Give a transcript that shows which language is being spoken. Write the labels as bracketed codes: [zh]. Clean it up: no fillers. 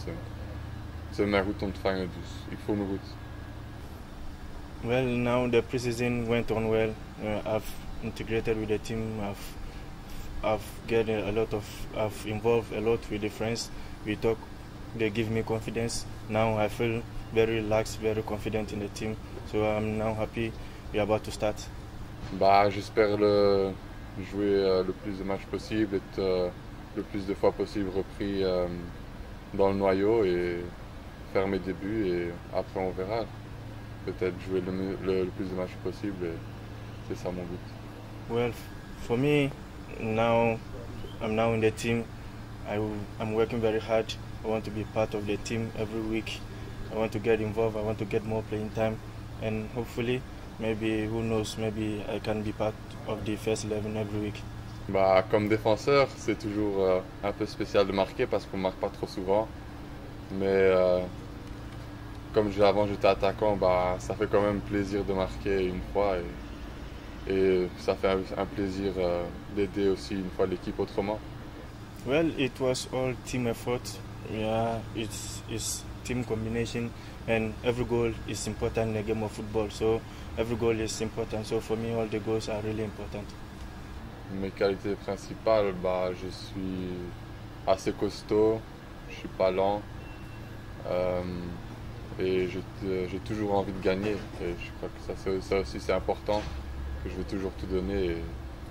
[nl] Ze hebben mij goed ontvangen, dus ik voel me goed. [en] Well, now the preseason went on well. I've integrated with the team. I've involved a lot with the friends. We talk. They give me confidence. Now I feel very relaxed, very confident in the team. So I'm now happy. We're about to start. [fr] Bah, j'espère jouer le plus de matchs possible, être le plus de fois possible repris dans le noyau et faire mes débuts et après on verra. Peut-être jouer le plus de matchs possible et c'est ça mon but. [en] Well, for me, now I'm now in the team. I'm working very hard. I want to be part of the team every week. I want to get involved. I want to get more playing time. And hopefully, maybe, who knows, maybe I can be part of the first 11 every week. [fr] Bah, comme défenseur, c'est toujours un peu spécial de marquer parce qu'on marque pas trop souvent. Mais comme avant j'étais attaquant, bah, ça fait quand même plaisir de marquer une fois et ça fait un plaisir d'aider aussi une fois l'équipe autrement. [en] Well, it was all team effort. Yeah, it's team combination, and every goal is important in a game of football. So every goal is important. So for me, all the goals are really important. [fr] Mes qualités principales, bah, je suis assez costaud, je suis pas lent et j'ai toujours envie de gagner. Et je crois que ça aussi c'est important, que je vais toujours tout donner